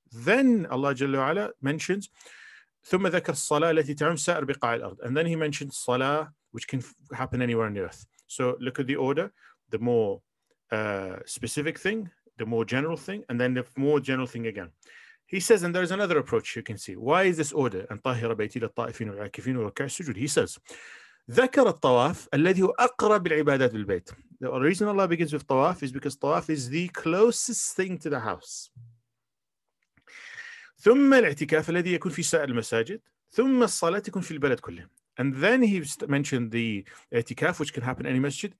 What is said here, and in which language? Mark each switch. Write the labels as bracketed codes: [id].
[en] Then Allah Jalla wa Ala mentions [ar] ثم ذكر الصلاة التي تعم سائر بقاع الأرض, [en] and then he mentions salah, which can happen anywhere on the earth. So look at the order, the more specific thing, the more general thing, and then the more general thing again. He says, and there is another approach you can see. Why is this order? [ar] And طاهر بيتي للطائفين والعاكفين وركع السجود. [en] He says, [ar] ذكر الطواف الذي هو أقرب العبادات بالبيت. [en] The reason Allah begins with طواف is because طواف is the closest thing to the house. [ar] ثم الاعتكاف الذي يكون في سائر المساجد. ثم الصلاة تكون في البلد كله. [en] And then he mentioned the اعتكاف, which can happen in any masjid.